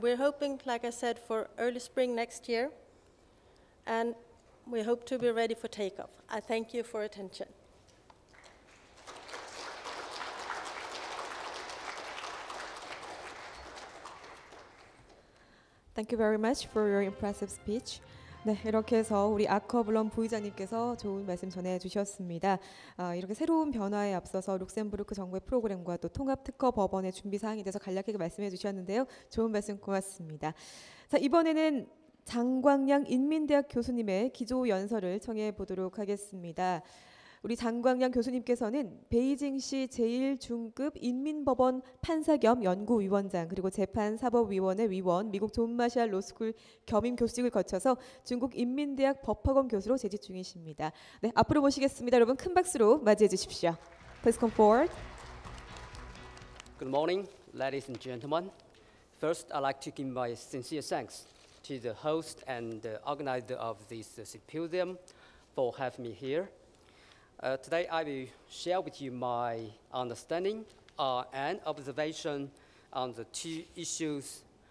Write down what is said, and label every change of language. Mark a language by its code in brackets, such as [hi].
[en] We're hoping, like I said, for early spring next year. And we hope to be ready for takeoff. I thank you for attention. Thank you very much for your impressive speech. [ko] 네, 이렇게 해서 우리 아커블럼 부의장님께서 좋은 말씀 전해주셨습니다. 이렇게 새로운 변화에 앞서서 룩셈부르크 정부의 프로그램과 또 통합특허법원의 준비 사항에 대해서 간략하게 말씀해 주셨는데요. 좋은 말씀 고맙습니다. 자, 이번에는 장광량 인민대학 교수님의 기조연설을 청해보도록 하겠습니다. 우리 장광량 교수님께서는 베이징시 제1중급 인민법원 판사 겸 연구위원장 그리고 재판사법위원회 위원 미국 존마샬 로스쿨 겸임 교수직을 거쳐서 중국 인민대학 법학원 교수로 재직 중이십니다. 네, 앞으로 모시겠습니다. 여러분 큰 박수로 맞이해 주십시오. [en] Please come forward. Good morning, ladies and gentlemen. First, I'd like to give my sincere thanks to the host and the organizer of this symposium for having me here. Today, I will share with you my understanding and observation on the two issues.